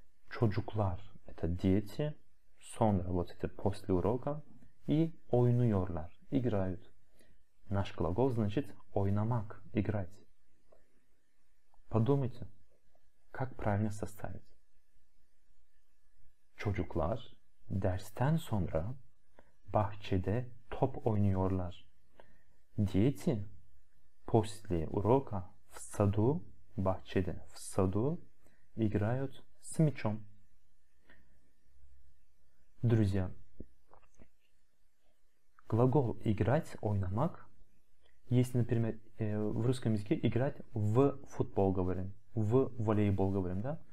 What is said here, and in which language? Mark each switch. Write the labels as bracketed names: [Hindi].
[Russian] Чоджуклар, это дети. Сонра, вот это, после урока. И ойнуйорлар, играют. Наш глагол значит ойнамак, играть. Подумайте, как правильно составить. [Turkish] Çocuklar dersten sonra bahçede top oynuyorlar. [Russian] Дети после урока в саду, bahçede, в саду играют с мячом. Друзья, глагол играть, ойнамак, если, например, в русском языке играть в футбол говорим, в волейбол говорим, да?